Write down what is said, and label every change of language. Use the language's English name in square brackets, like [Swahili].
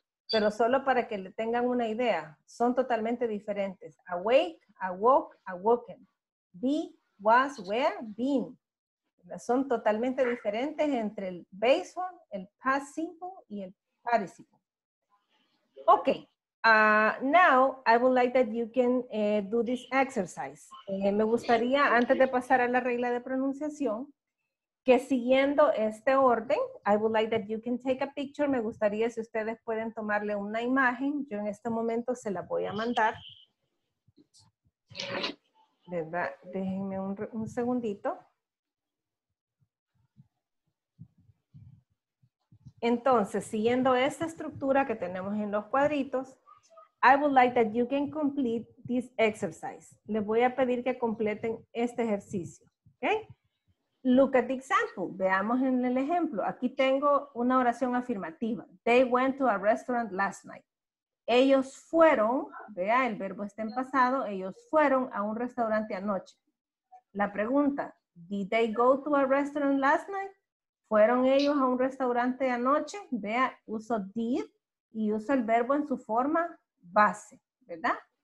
[Spanish] Pero solo para que le tengan una idea, son totalmente diferentes. [English] Awake, awoke, awoken. Be, was, where, been. [Spanish] Son totalmente diferentes entre el base form, el past simple y el participle. [English] Ok, now I would like that you can do this exercise. [Spanish] Me gustaría, antes de pasar a la regla de pronunciación, que siguiendo este orden, [English] I would like that you can take a picture. [Spanish] Me gustaría si ustedes pueden tomarle una imagen. Yo en este momento se la voy a mandar. ¿Verdad? Déjenme un segundito. Entonces, siguiendo esta estructura que tenemos en los cuadritos, [English] I would like that you can complete this exercise. [Spanish] Les voy a pedir que completen este ejercicio. [English] ¿Ok? Look at the example. [Spanish] Veamos en el ejemplo. Aquí tengo una oración afirmativa. [English] They went to a restaurant last night. [Spanish] Ellos fueron, vea, el verbo está en pasado, ellos fueron a un restaurante anoche. La pregunta, [English] did they go to a restaurant last night? [Spanish] ¿Fueron ellos a un restaurante anoche? Vea, uso did y uso el verbo en su forma base, ¿verdad?